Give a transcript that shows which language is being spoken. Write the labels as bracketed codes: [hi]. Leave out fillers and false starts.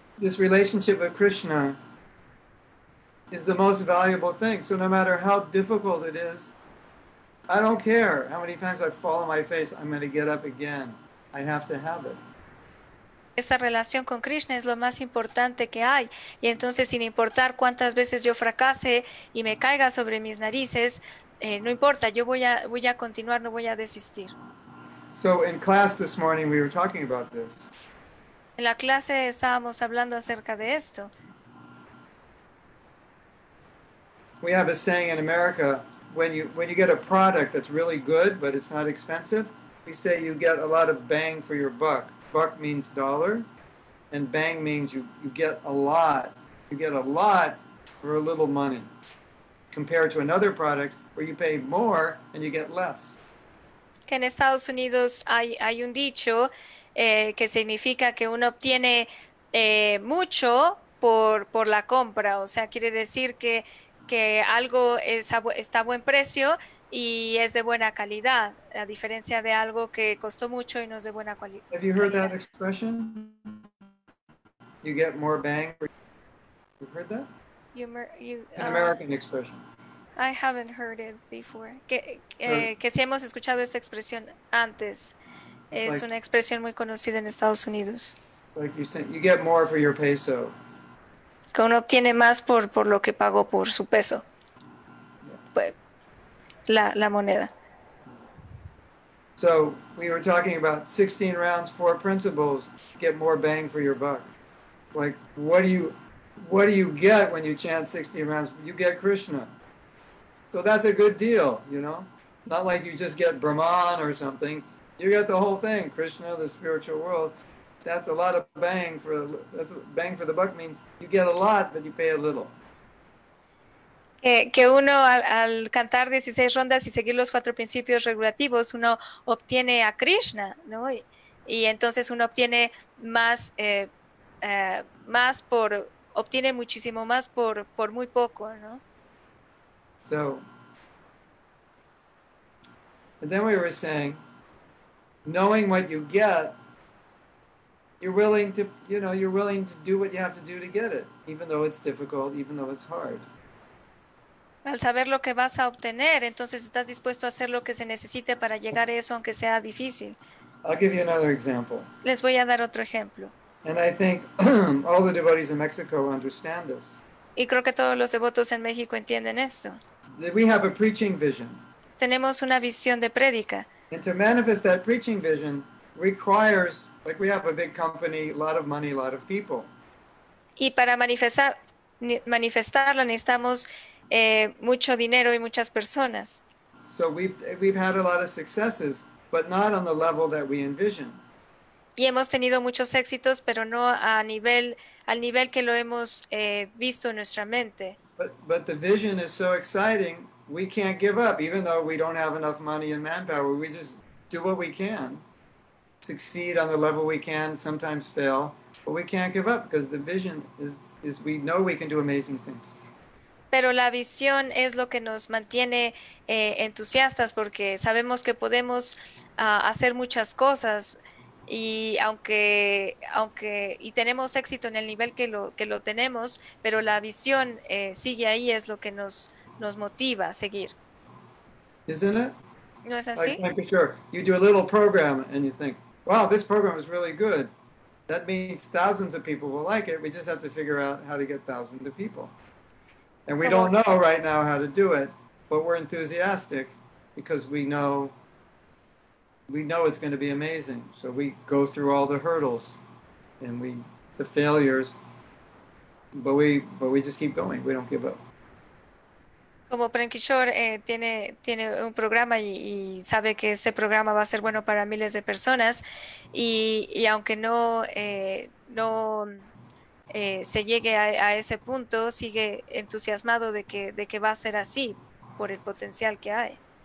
[en] This relationship with Krishna is the most valuable thing. So no matter how difficult it is, I don't care how many times I fall on my face, I'm going to get up again. I have to have it. [es] Esta relación con Krishna es lo más importante que hay. Y entonces, sin importar cuántas veces yo fracase y me caiga sobre mis narices, no importa, yo voy a continuar, no voy a desistir. [en] So in class this morning we were talking about this. [es] En la clase estábamos hablando acerca de esto. [en] We have a saying in America, when you get a product that's really good but it's not expensive, we say you get a lot of bang for your buck. Buck means dollar, and bang means you get a lot. You get a lot for a little money compared to another product where you pay more and you get less. [es] Que en Estados Unidos hay un dicho que significa que uno obtiene mucho por la compra. O sea, quiere decir que algo está a buen precio y es de buena calidad, a diferencia de algo que costó mucho y no es de buena calidad. [en] Have you heard that expression? You get more bang. You heard that? An American expression. I haven't heard it before. [es] Que si hemos escuchado esta expresión antes. Es like, una expresión muy conocida en Estados Unidos. [en] Like you said, you get more for your peso. [es] Que uno obtiene más por lo que pagó por su peso. La moneda. [en] So we were talking about 16 rounds, 4 principles, get more bang for your buck. Like, what do you get when you chant 16 rounds? You get Krishna. So that's a good deal, you know? Not like you just get Brahman or something. You get the whole thing, Krishna, the spiritual world. That's a lot of bang for, bang for the buck means you get a lot, but you pay a little. [es] Que uno al cantar 16 rondas y seguir los 4 principios regulativos, uno obtiene a Krishna, ¿no? Y entonces uno obtiene obtiene muchísimo más por muy poco, ¿no? [en] So, and then we were saying, knowing what you get, you're willing to, you know, you're willing to do what you have to do to get it, even though it's difficult, even though it's hard. [es] Al saber lo que vas a obtener, entonces estás dispuesto a hacer lo que se necesite para llegar a eso, aunque sea difícil. [en] I'll give you another example. [es] Les voy a dar otro ejemplo. [en] And I think all the devotees in Mexico understand this. [es] Y creo que todos los devotos en México entienden esto. [en] That we have a preaching vision. [es] Tenemos una visión de prédica. [en] And to manifest that preaching vision requires, like we have a big company, a lot of money, a lot of people. [es] Y para manifestarla necesitamos mucho dinero y muchas personas. [en] So we've had a lot of successes, but not on the level that we envision. [es] Y hemos tenido muchos éxitos, pero no a nivel, al nivel que lo hemos visto en nuestra mente. [en] But the vision is so exciting, we can't give up, even though we don't have enough money and manpower. We just do what we can, succeed on the level we can, sometimes fail, but we can't give up because the vision is we know we can do amazing things. [es] Pero la visión es lo que nos mantiene entusiastas porque sabemos que podemos hacer muchas cosas y aunque y tenemos éxito en el nivel que lo tenemos, pero la visión sigue ahí, es lo que nos motiva a seguir. [en] Isn't it? [es] ¿No es así? [en] I can't be sure. You do a little program and you think, wow, this program is really good. That means thousands of people will like it. We just have to figure out how to get thousands of people. And we don't know right now how to do it, but we're enthusiastic because we know it's going to be amazing. So we go through all the hurdles and the failures, but we just keep going. We don't give up. [es] Como Prem Kishore tiene un programa y sabe que ese programa va a ser bueno para miles de personas y aunque se llegue a ese punto, sigue entusiasmado de que va a ser así por el potencial que hay.